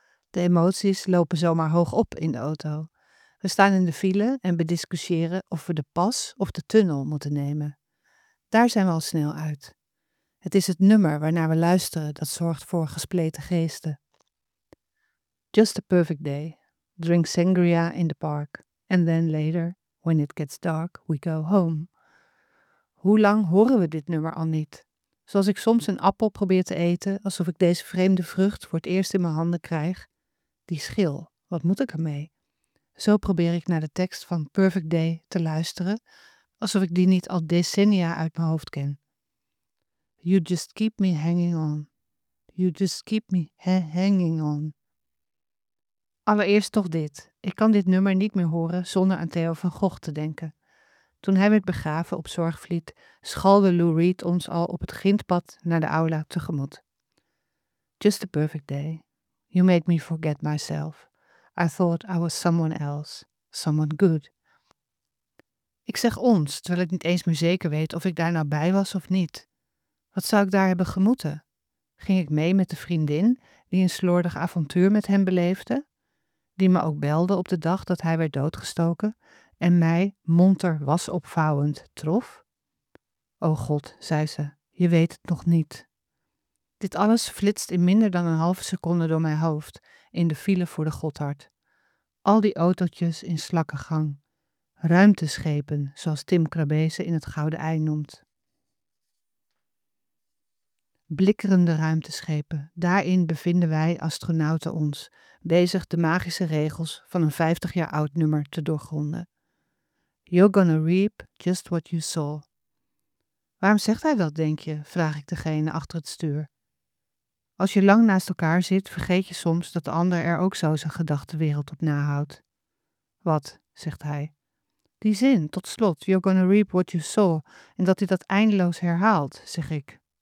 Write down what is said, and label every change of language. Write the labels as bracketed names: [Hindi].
[Dutch] De emoties lopen zomaar hoog op in de auto. We staan in de file en bediscussiëren of we de pas of de tunnel moeten nemen. Daar zijn we al snel uit. Het is het nummer waarnaar we luisteren dat zorgt voor gespleten geesten. [English] Just a perfect day. Drink sangria in the park. And then later, when it gets dark, we go home. [Dutch] Hoe lang horen we dit nummer al niet? Zoals ik soms een appel probeer te eten, alsof ik deze vreemde vrucht voor het eerst in mijn handen krijg. Die schil, wat moet ik ermee? Zo probeer ik naar de tekst van Perfect Day te luisteren, alsof ik die niet al decennia uit mijn hoofd ken. [English] You just keep me hanging on. You just keep me hanging on. [Dutch] Allereerst toch dit. Ik kan dit nummer niet meer horen zonder aan Theo van Gogh te denken. Toen hij werd begraven op Zorgvliet, schalde Lou Reed ons al op het grindpad naar de aula tegemoet. [English] Just a perfect day. You made me forget myself. I thought I was someone else. Someone good. [Dutch] Ik zeg ons, terwijl ik niet eens meer zeker weet of ik daar nou bij was of niet. Wat zou ik daar hebben gemoeten? Ging ik mee met de vriendin die een slordig avontuur met hem beleefde? Die me ook belde op de dag dat hij werd doodgestoken en mij, monter was opvouwend, trof? O God, zei ze, je weet het nog niet. Dit alles flitst in minder dan een halve seconde door mijn hoofd in de file voor de Gotthard. Al die autootjes in slakke gang. Ruimteschepen, zoals Tim Krabbe ze in het Gouden Ei noemt. Blikkerende ruimteschepen, daarin bevinden wij astronauten ons, bezig de magische regels van een 50 jaar oud nummer te doorgronden. [English] You're gonna reap just what you sow. [Dutch] Waarom zegt hij dat, denk je, vraag ik degene achter het stuur. Als je lang naast elkaar zit, vergeet je soms dat de ander er ook zo zijn gedachtenwereld op nahoudt. Wat, zegt hij. Die zin, tot slot, [English] you're gonna reap what you sow, [Dutch] en dat hij dat eindeloos herhaalt, zeg ik.